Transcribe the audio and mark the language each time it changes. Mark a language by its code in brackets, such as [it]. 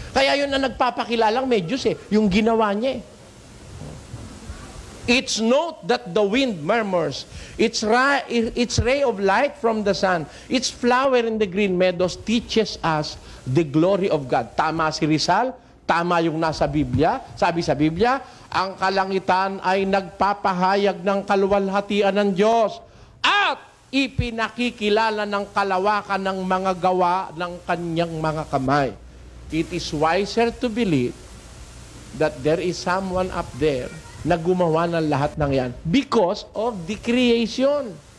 [tl] Kaya yun ang nagpapakilalang may Diyos eh, yung ginawa niya eh. [en] It's note that the wind murmurs, its ray of light from the sun, its flower in the green meadows teaches us the glory of God. [tl] Tama si Rizal, tama yung nasa Biblia. Sabi sa Biblia, ang kalangitan ay nagpapahayag ng kaluwalhatian ng Diyos at ipinakikilala ng kalawakan ng mga gawa ng kanyang mga kamay. [en] It is wiser to believe that there is someone up there [tl] na gumawa ng lahat ng yan [en] because of the creation.